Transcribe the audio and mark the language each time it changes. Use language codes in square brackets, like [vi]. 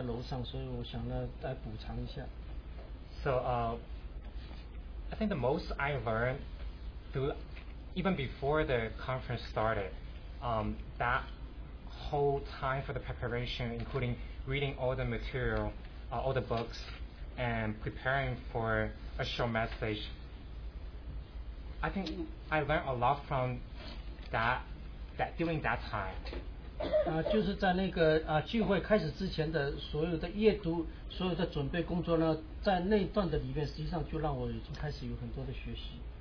[zh] 因为那次的聚会呢，我不在这边，我在楼上，所以我想呢来补偿一下。 [en] So I think the most I learned through even before the conference started, that whole time for the preparation, including reading all the material, all the books, and preparing for a short message. I think I learned a lot from that during that time. [zh] 就是在那个聚会开始之前的所有的阅读、所有的准备工作呢，在那段的里面，实际上就让我已经开始有很多的学习。